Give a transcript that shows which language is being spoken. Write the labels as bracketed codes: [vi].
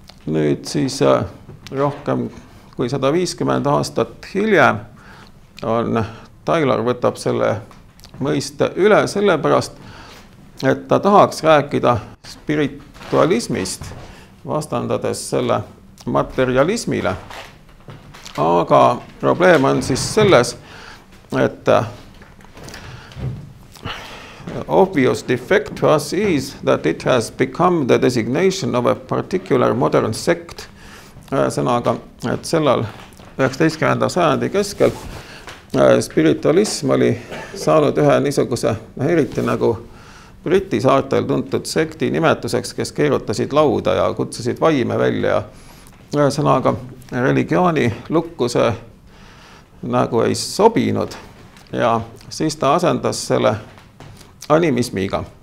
[et] Nüüd siis rohkem kui 150 aastat hiljem on Taylor võtab selle mõiste üle sellepärast, et ta tahaks rääkida spiritualismist vastandades selle materialismile. Aga probleem on siis selles, et [en] obvious defect to us is that it has become the designation of a particular modern sect. [et] Sõnaga, et sellal 19. sajandi keskel spiritualism oli saanud ühe niisuguse, eriti nagu Briti saartel tuntud sekti nimetuseks, kes keerutasid lauda ja kutsusid vaime välja. Sõnaga, religiooni lukkuse nagu ei sobinud ja siis ta asendas selle animismiga.